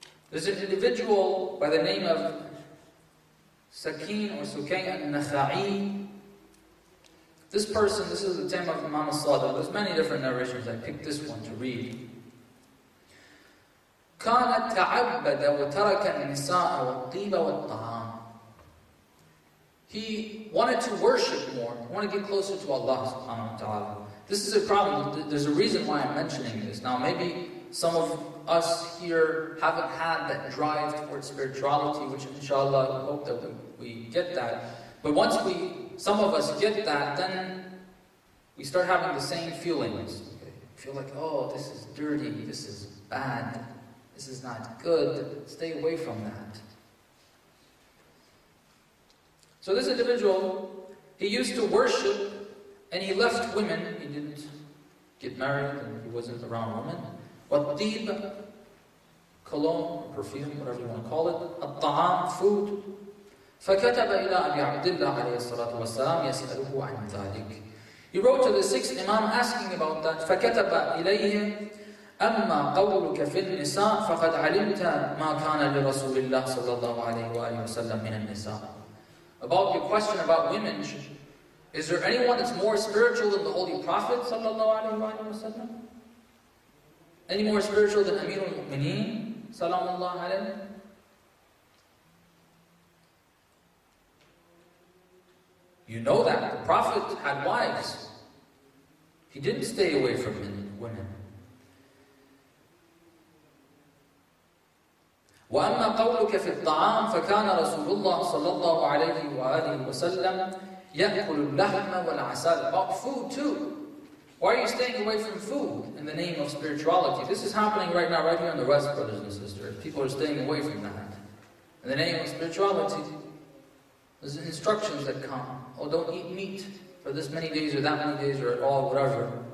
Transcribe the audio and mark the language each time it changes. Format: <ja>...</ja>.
<en>There's an individual by the name of Sakin or Sukayn al-Nakha'i. This person, this is the time of Imam al-Sadr. There's many different narrations. I picked this one to read.</en> <ar>كانت تعبد وترك النساء والطيب والطعام.</ar> <en>He wanted to worship more. He wanted to get closer to Allah subhanahu wa ta'ala. This is a problem. There's a reason why I'm mentioning this. Now maybe some of us here haven't had that drive towards spirituality, which inshallah we hope that we get that. But once some of us get that, then we start having the same feelings. We feel like, oh, this is dirty, this is bad, this is not good, stay away from that. So this individual, he used to worship and he left women. He didn't get married and he wasn't around women. Wadib, cologne, perfume, whatever you want to call it. Al-ta'am, food.</en> <ar>فَكَتَبَ إِلَىٰ أَبِي عَبْدِ اللَّهِ عَلَيْهِ الصَّلَاةُ وَالسَّلَامِ يَسْأَلُهُ عَنْ ذَلِكِ</ar> <en>He wrote to the sixth Imam asking about that.</en> <ar>فَكَتَبَ إِلَيْهِ أَمَّا قَوْلُكَ فِي النِّسَاءِ فَقَدْ عَلِمْتَ مَا كَانَ لِرَسُولِ اللَّهِ صَلَّى اللَّهُ عَلَيْهِ وَآلِهِ وَسَلَّمَ مِنَ النِّسَاءِ</ar> <en>About your question about women, is there anyone that's more spiritual than the Holy Prophet</en> <ar>صلى الله عليه وآله وسلم? Any more spiritual than Amir al-Mu'mineen صلّى الله عليه?</ar> <en>You know that the Prophet had wives. He didn't stay away from women.</en> <ar>وَأَمَّا قَوْلُكَ فِي الطَّعَامِ فَكَانَ رَسُولُ اللَّهِ صَلَّى اللَّهُ عَلَيْهِ وَآلِهِ وَسَلَّمْ يَأْكُلُ اللَّحْمَ وَالْعَسَلَ</ar> <en>About food too. Why are you staying away from food in the name of spirituality? This is happening right now, right here in the West, brothers and sisters. People are staying away from that. In the name of spirituality, there's instructions that come. Oh, don't eat meat for this many days or that many days or at all, whatever.</en>